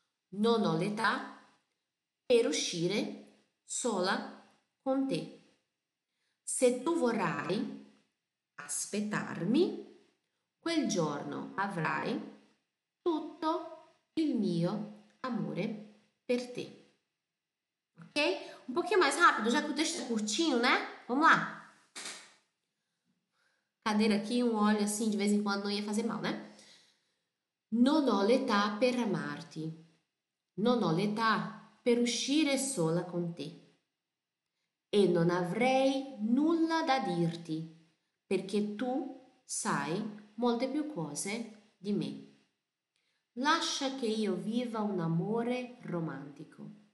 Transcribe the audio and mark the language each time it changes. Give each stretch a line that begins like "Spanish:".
Italian: Non ho l'età per uscire sola con te. Se tu vorrai aspettarmi, quel giorno avrai tutto il mio amore per te. Ok?
Portuguese: Um pouquinho mais rápido, já que o texto é curtinho, né? Vamos lá. Cadeira aqui, um óleo assim, de vez em quando não ia fazer mal, né?
Italian: Non ho l'età per amarti. Non ho l'età per uscire sola con te. E non avrei nulla da dirti, perché tu sai molte più cose di me. Lascia che io viva un amore romantico.